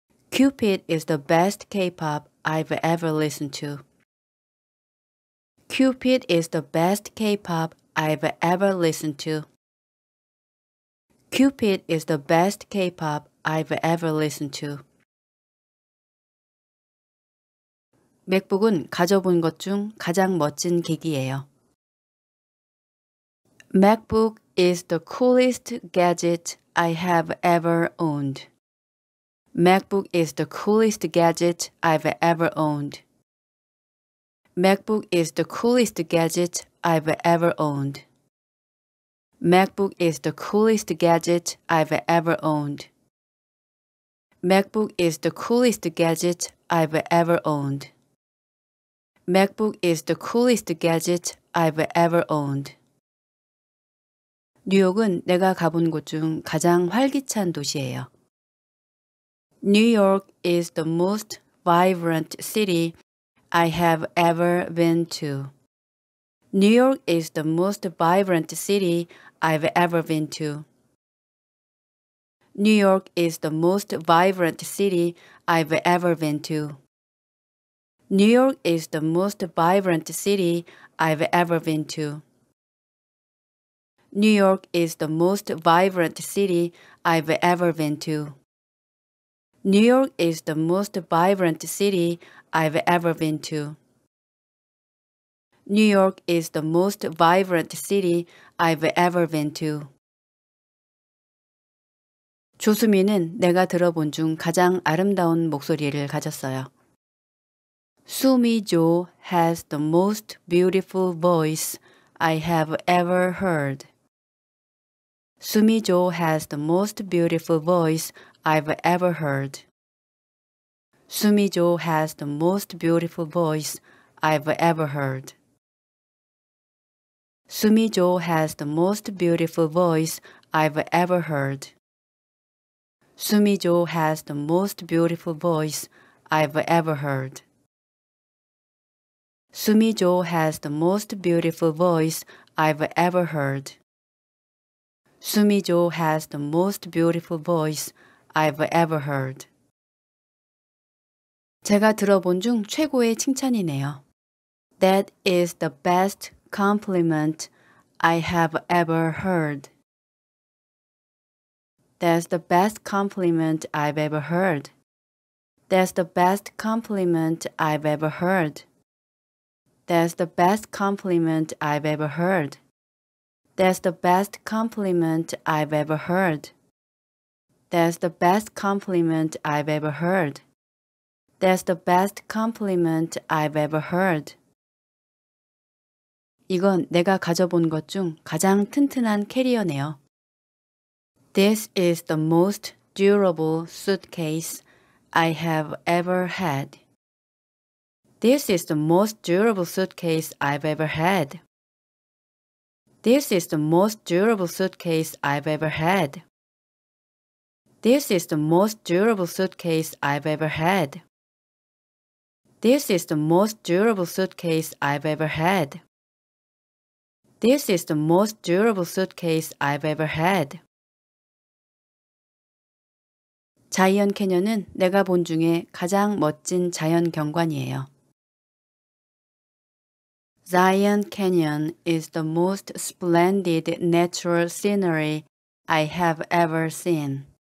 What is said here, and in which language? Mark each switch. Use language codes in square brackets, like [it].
[en] Cupid is the best K-pop I've ever listened to. Cupid is the best K-pop I've ever listened to. Cupid is the best K-pop I've ever listened to. [ko] 맥북은 가져본 것 중 가장 멋진 기기예요. [en] MacBook is the coolest gadget I have ever owned. MacBook is the coolest gadget I've ever owned. MacBook is the coolest gadget I've ever owned. MacBook is the coolest gadget I've ever owned. MacBook is the coolest gadget I've ever owned. MacBook is the coolest gadget I've ever owned. [ko] 뉴욕은 내가 가본 곳 중 가장 활기찬 도시예요. [en] New York is the most vibrant city I have ever been to. New York is the most vibrant city I've ever been to. New York is the most vibrant city I've ever been to. New York is the most vibrant city I've ever been to. New York is the most vibrant city I've ever been to. New York is the most vibrant city I've ever been to. New York is the most vibrant city I've ever been to. [ko] 조수미는 내가 들어본 중 가장 아름다운 목소리를 가졌어요. [en] 수미 조 has the most beautiful voice I have ever heard. 수미 조 has the most beautiful voice I've ever heard. 수미 조 has the most beautiful voice I've ever heard. 수미 조 has the most beautiful voice I've ever heard. 수미 조 has the most beautiful voice I've ever heard. 수미 조 has the most beautiful voice I've ever heard. 수미 조 has the most beautiful voice I've ever heard. [ko] 제가 들어본 중 최고의 칭찬이네요. [en] That is the best compliment I have ever heard. That's the best compliment I've ever heard. That's the best compliment I've ever heard. That's the best compliment I've ever heard. That's the best compliment I've ever heard. That's the best compliment I've ever heard. That's the best compliment I've ever heard. [ko] 이건 내가 가져본 것 중 가장 튼튼한 캐리어네요. [en] This is the most durable suitcase I have ever had. This is the most durable suitcase I've ever had. This is the most durable suitcase I've ever had. This is the most durable suitcase I've ever had. This is the most durable suitcase I've ever had. This is the most durable suitcase I've ever had. [ko] 자이언 캐년은 내가 본 중에 가장 멋진 자연 경관이에요. [en] Zion Canyon is the most splendid natural scenery I have ever seen.